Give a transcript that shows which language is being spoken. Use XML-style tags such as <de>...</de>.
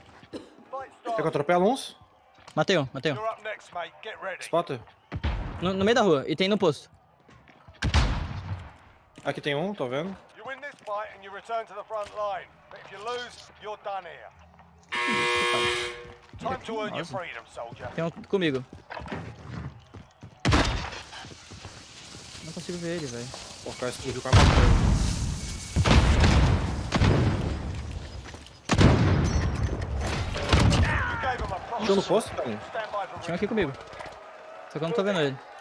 <pt>Quer que eu atropelo uns? Matei um, matei um. Spot? No meio da rua, e tem no posto. Aqui tem um, tô vendo.</pt> <en>You win this fight and you return to the front line. But if you lose, you're done here. Time to earn your freedom, soldier.</en> <pt>Tem um comigo. Não consigo ver ele, velho. Pô, o cara explodiu com a mão. Tô no posto? Tinha um aqui comigo. Só que eu não tô vendo ele.</pt>